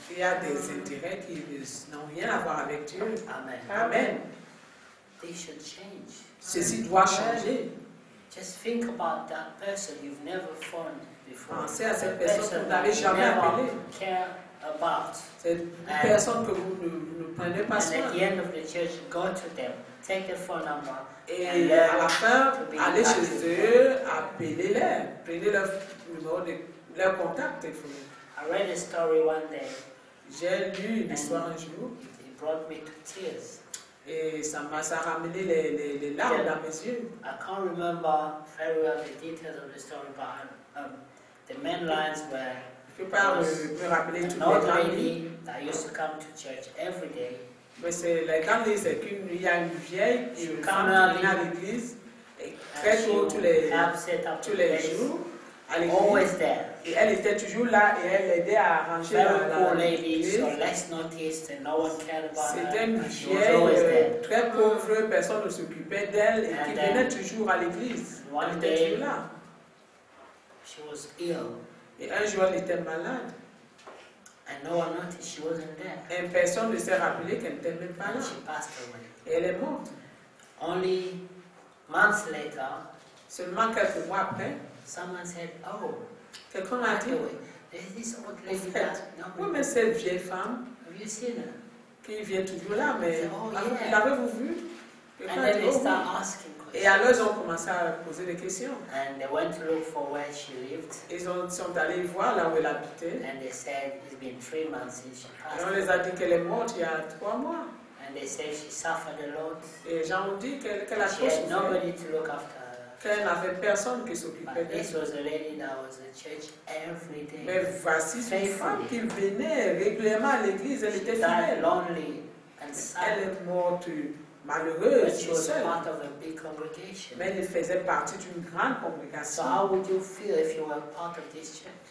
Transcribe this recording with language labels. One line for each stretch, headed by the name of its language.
French: Il y a des intérêts qui n'ont rien à voir avec Dieu. Amen. Amen.
English: They should change.
French: Ceci doit changer.
English: Just think about that person you've never phoned before.
French: Pensez à cette personne que vous n'avez jamais appelée. Cette personne que vous ne prenez pas soin.
English: At the end of the church, go to them. Take the phone number.
French: Et à la fin, allez chez eux, appelez-les, prenez leur numéro, leur contact téléphonique.
English: I read a story one day.
French: J'ai lu une histoire un jour.
English: It brought me to tears.
French: Et ça a ramené les larmes dans mes yeux.
English: I can't remember very well the details of the story, but the main lines were.
French: Je ne peux pas me rappeler tout le temps.
English: Old lady that used to come to church every day.
French: Mais c'est la grande idée, c'est qu'il y a une vieille qui vient à l'église et très tôt tous les jours à l'église. Et elle était toujours là et elle aidait à arranger l'église. C'était une vieille, très pauvre, personne ne s'occupait d'elle et qui venait toujours à l'église. Elle était toujours là.
English: She was ill.
French: Et un jour, elle était malade.
English: And no one noticed she wasn't there.
French: Et personne ne s'est rappelé qu'elle n'était même pas là.
English: She passed away.
French: Et elle est morte.
English: Only months later,
French: seulement quelques mois après,
English: someone said, oh,
French: quelqu'un a dit,
English: there's this old lady that
French: oui, mais cette vieille femme,
English: have you seen her?
French: Qui vient toujours là, mais
English: oh, yeah.
French: L'avez-vous vu?
English: And then they start asking.
French: Et alors ils ont commencé à poser des questions.
English: And they went to look for where she lived.
French: Ils sont allés voir là où elle habitait.
English: And they said it's been 3 months since she passed.
French: Et on les a dit qu'elle est morte il y a 3 mois.
English: And they said she suffered a lot.
French: Et gens ont dit qu'elle a souffert.
English: She had nobody to look after.
French: Qu'elle n'avait personne qui s'occupait d'elle.
English: This was a lady that was at church every day.
French: Mais voici une femme qui venait régulièrement à l'église. Elle
English: she
French: était fidèle.
English: Lonely and sad.
French: Elle est morte. Malheureuse,
English: but she was part of a big congregation.
French: Mais elle faisait partie d'une grande congrégation.
English: So how would you feel if you were part of this church?